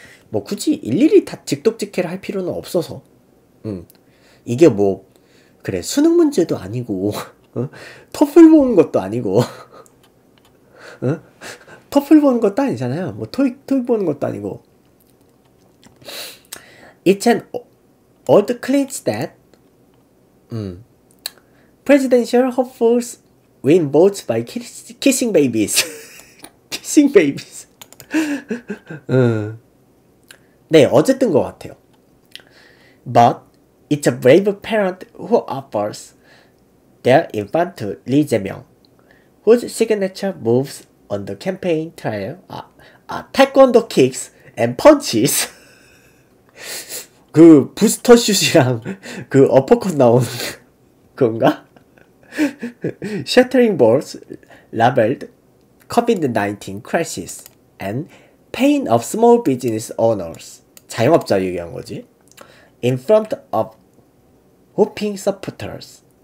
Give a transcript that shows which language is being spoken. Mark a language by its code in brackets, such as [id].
[ko] 뭐 굳이 일일이 다 직독직해를 할 필요는 없어서. 이게 뭐 그래 수능 문제도 아니고 토플 보는 것도 아니고 토플 보는 것도 아니잖아요. 뭐 토익 보는 것도 아니고. [en] It's an old cliché that presidential hopefuls win votes by kissing babies. kissing babies. [ko] 네, 어쨌든 것 같아요. [en] But it's a brave parent who offers their infant to Lee Jae-myung, whose signature moves on the campaign trail are taekwondo kicks and punches. [ko] 그 부스터 슛이랑 그 어퍼컷 나오는 건가? [en] Shattering balls labeled COVID-19 crisis and pain of small business owners. [ko] 자영업자 얘기한 거지? [en] In front of hoping supporters.